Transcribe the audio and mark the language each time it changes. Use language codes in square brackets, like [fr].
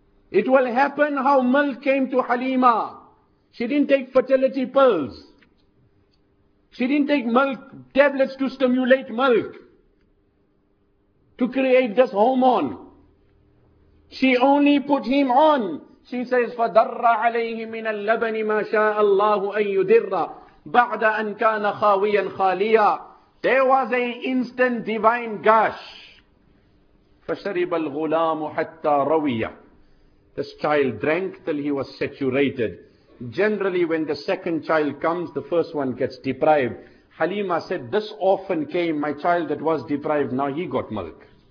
[en] It will happen how milk came to Halima. She didn't take fertility pills. She didn't take milk tablets to stimulate milk, to create this hormone. She only put him on. She says, [ar] فَدَرَّ عَلَيْهِ مِنَ اللَّبَنِ مَا شَاءَ اللَّهُ أَن يُدِرَّ بَعْدَ أَن كَانَ خَاوِيًا خَالِيًا. [en] There was an instant divine gush. [ar] فَشَرِبَ الْغُلَامُ حَتَّى رَوِيًا. [en] This child drank till he was saturated. Generally, when the second child comes, the first one gets deprived. Halima said, this orphan came, my child that was deprived, now he got milk.